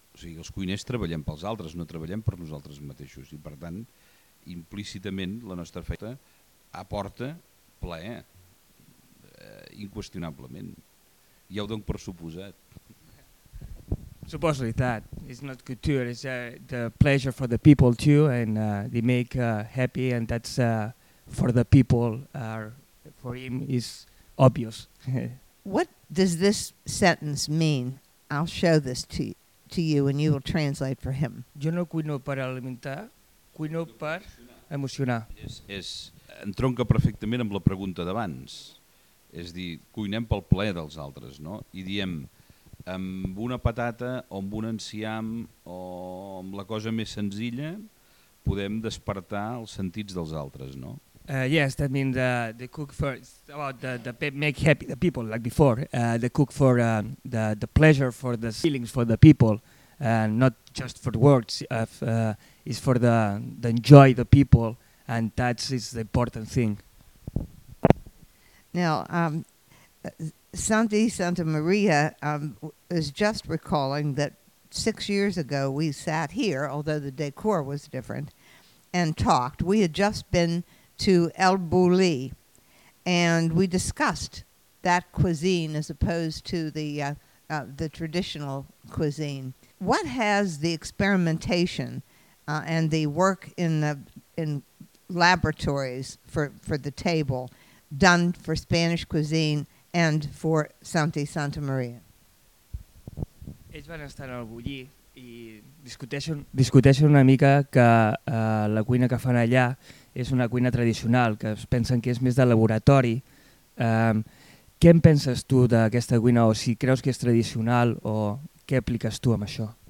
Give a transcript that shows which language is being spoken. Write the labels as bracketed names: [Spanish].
[Catalan] O sigui, els cuiners treballem pels altres, no treballem per nosaltres mateixos, i per tant, implícitament, la nostra feina aporta plaer, inqüestionablement. Ja ho dono per suposat. [English] Supposedly that. It's not couture, it's the pleasure for the people too, and they make happy, and that's for the people, for him is obvious. What does this sentence mean? I'll show this to you. To you, and you will translate for him. [Catalan] Jo no cuino per alimentar, cuino per emocionar. És entronca perfectament amb la pregunta d'abans. És a dir, cuinem pel plaer dels altres, no? I diem, amb una patata o amb un enciam o amb la cosa més senzilla, podem despertar els sentits dels altres, no? [English] Yes, that means the cook for about the make happy the people like before. The cook for the pleasure for the feelings for the people, and not just for the words. Is for the enjoy the people, and that is the important thing. Now, Santi Santa Maria is just recalling that 6 years ago we sat here, although the decor was different, and talked. We had just been to El Bulli, and we discussed that cuisine as opposed to the traditional cuisine. What has the experimentation and the work in laboratories for the table done for Spanish cuisine and for Santi Santa Maria? [Catalan] Ells van estar al Bulli i discuteixen una mica que la cuina que fan allà és una cuina tradicional, que es pensen que és més de laboratori. Què en penses tu d'aquesta cuina, o si creus que és tradicional, o què apliques tu amb això?